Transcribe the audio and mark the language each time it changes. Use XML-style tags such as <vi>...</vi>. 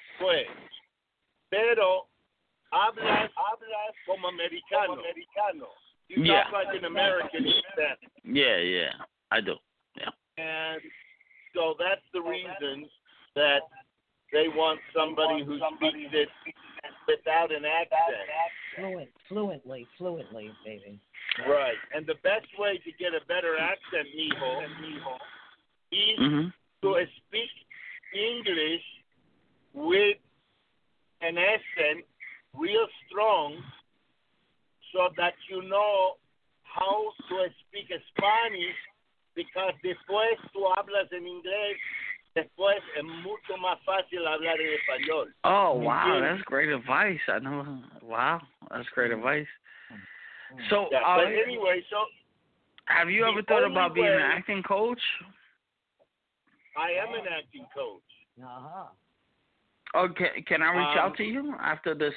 <es>Pues, pero hablas como americano. Como americano.</es> <en>You yeah. talk like an American instead. Yeah, I do. Yeah. And so that's the reason that they want somebody want who somebody speaks it without an accent. Fluently, baby. Right. And the best way to get a better accent, mijo, is mm-hmm. to speak English with an accent real strong so that you know how to speak Spanish, because después tú hablas en inglés, después es mucho más fácil hablar en español. Oh, wow, that's great advice. I know. Wow, that's great advice. So, yeah, but anyway, so have you ever thought about being an acting coach? I am an acting coach. Uh-huh. Okay, can I reach out to you after this</en>